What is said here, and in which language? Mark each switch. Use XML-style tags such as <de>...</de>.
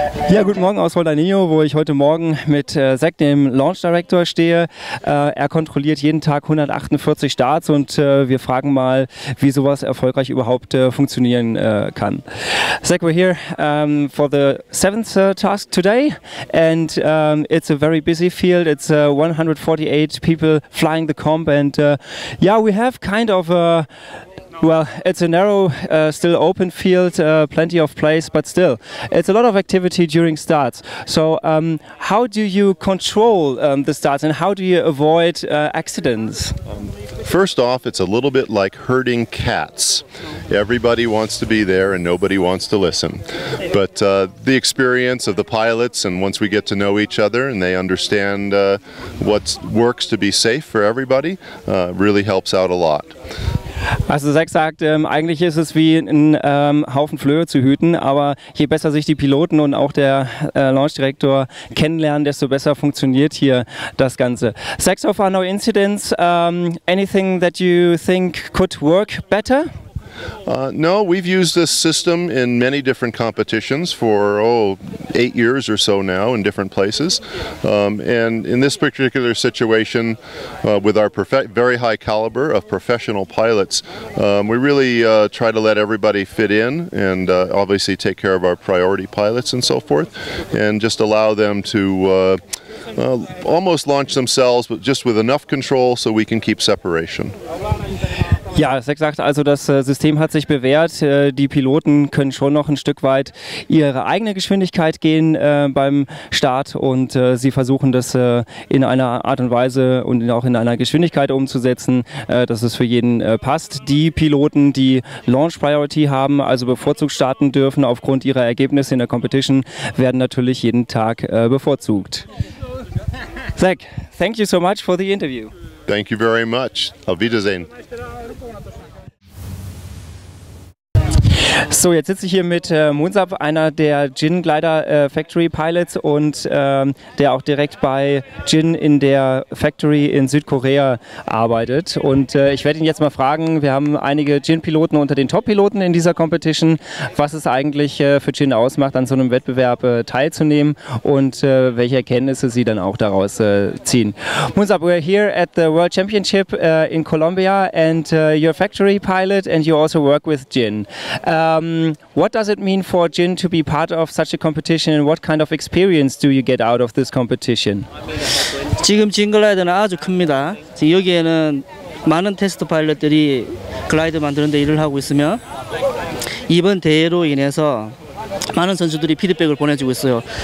<de>Ja, guten Morgen aus Holdanillo, wo ich heute Morgen mit Zack, dem Launch Director, stehe. Er kontrolliert jeden Tag 148 Starts und wir fragen mal, wie sowas erfolgreich überhaupt funktionieren kann.</de> <en>Zack, we're here for the seventh task today and it's a very busy field. It's 148 people flying the comp and we have kind of a... Well, it's a narrow, still open field, plenty of place, but still, it's a lot of activity during starts. So, how do you control the starts and how do you avoid accidents? First off, it's a little bit like herding cats. Everybody wants to be there and nobody wants to listen. But the experience of the pilots, and once we get to know each other and they understand what works to be safe for everybody, really helps out a lot.</en> <de>Also Zack sagt, eigentlich ist es wie ein Haufen Flöhe zu hüten, aber je besser sich die Piloten und auch der Launch Director kennenlernen, desto besser funktioniert hier das Ganze.</de> <en>Zack, so far no incidents, anything that you think could work better? No, we've used this system in many different competitions for 8 years or so now in different places. And in this particular situation, with our very high caliber of professional pilots, we really try to let everybody fit in and obviously take care of our priority pilots and so forth, and just allow them to almost launch themselves, but just with enough control so we can keep separation.</en> <de>Ja, Zack sagt also, das System hat sich bewährt. Die Piloten können schon noch ein Stück weit ihre eigene Geschwindigkeit gehen beim Start und sie versuchen das in einer Art und Weise und auch in einer Geschwindigkeit umzusetzen, dass es für jeden passt. Die Piloten, die Launch Priority haben, also bevorzugt starten dürfen aufgrund ihrer Ergebnisse in der Competition, werden natürlich jeden Tag bevorzugt.</de> <en>Zack, thank you so much for the interview. Thank you very much.</en> <de>Auf Wiedersehen. So, jetzt sitze ich hier mit Moonsap, einer der Jin Glider Factory Pilots und der auch direkt bei Jin in der Factory in Südkorea arbeitet. Und ich werde ihn jetzt mal fragen, wir haben einige Jin-Piloten unter den Top-Piloten in dieser Competition, was es eigentlich für Jin ausmacht, an so einem Wettbewerb teilzunehmen und welche Erkenntnisse sie dann auch daraus ziehen.</de> <en>Moonsap, we're here at the World Championship in Colombia and you're a factory pilot and you also work with Jin. What does it mean for Jin to be part of such a competition and what kind of experience do you get out of this competition?</en> <ko>지금 Jin Glider는 아주 큽니다. 지금 여기에는 많은 테스트 파일럿들이 글라이드 만드는 데 일을 하고 있으며 이번 대회로 인해서 많은 선수들이 피드백을 보내주고 있어요.</ko>